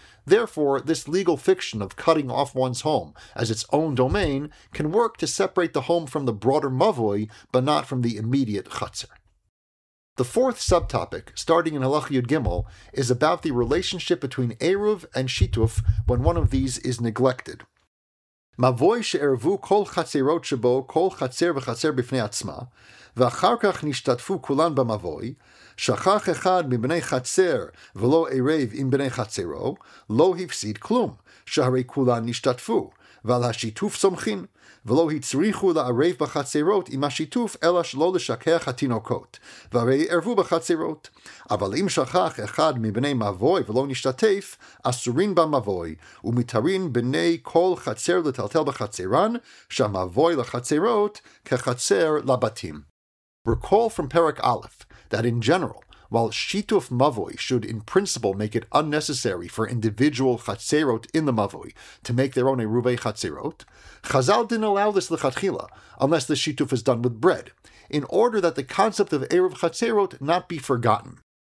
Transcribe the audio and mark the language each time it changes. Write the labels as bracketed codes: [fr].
[en] Therefore, this legal fiction of cutting off one's home as its own domain can work to separate the home from the broader mavoi, but not from the immediate chatzer. The fourth subtopic, starting in Halacha Yud Gimel, is about the relationship between Eruv and Shituf when one of these is neglected. [he] Mavoi she'ervu kol chatzerot shebo kol chatzer v'chatzer b'fnei atzma, ואחר כך נשתתפו כולן במבוי, שכח אחד מבני חצר ולא עירב עם בני חצרו, לא הפסיד כלום, שהרי כולן נשתתפו, ועל השיתוף סומכים, ולא הצריכו לערב בחצרות עם השיתוף, אלא שלא לשכח התינוקות, והרי ערבו בחצרות. אבל אם שכח אחד מבני מבוי ולא נשתתף, אסורין במבוי, ומתארין בני כל חצר לטלטל בחצרן, שהמבוי לחצרות כחצר לבתים. [en] Recall from Perek Aleph that in general, while shituf mavoi should in principle make it unnecessary for individual chatzerot in the mavoi to make their own eruvei chatzerot, Chazal didn't allow this lechatchila unless the shituf is done with bread, in order that the concept of eruv chatzerot not be forgotten.